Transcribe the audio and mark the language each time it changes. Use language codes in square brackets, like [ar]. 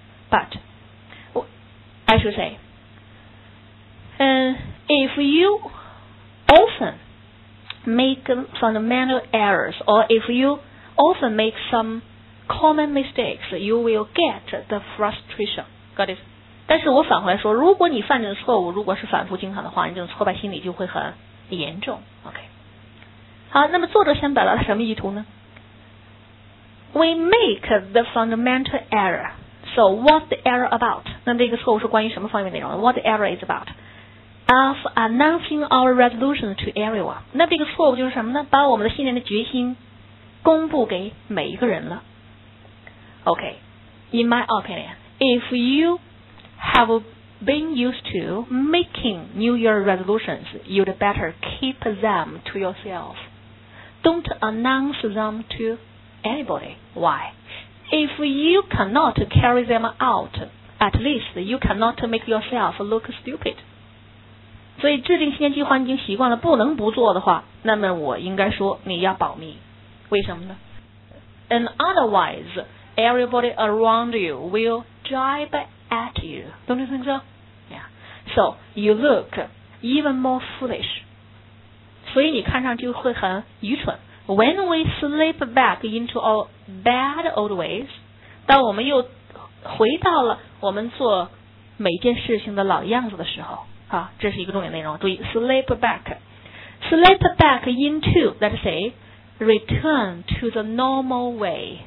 [en] But I should say, if you often make fundamental errors, or if you often make some common mistakes, you will get the frustration. Got it? [zh] 但是我反回来说，如果你犯的错误，如果是反复经常的话，你这种挫败心理就会很严重。 [en] OK. [zh] 好，那么作者想表达什么意图呢？ [en] We make the fundamental error. So what's the error about? [zh] 那这个错误是关于什么方面内容？ [en] What the error is about? Of announcing our resolution to everyone. [zh] 那这个错误就是什么呢？把我们的新年的决心公布给每一个人了。 [en] Okay, in my opinion, if you have been used to making New Year resolutions, you'd better keep them to yourself. Don't announce them to anybody. Why? If you cannot carry them out, at least you cannot make yourself look stupid. [zh] 所以制定新年计划已经习惯了不能不做的话，那么我应该说你要保密。为什么呢？ [en] And otherwise, everybody around you will jibe at you. Don't you think so? Yeah. So you look even more foolish. [zh] 所以你看上去会很愚蠢。 [en] When we slip back into our bad old ways, [zh] 当我们又回到了我们做每件事情的老样子的时候，这是一个重点内容。注意 slip back. [en] Slip back into, let's say, return to the normal way.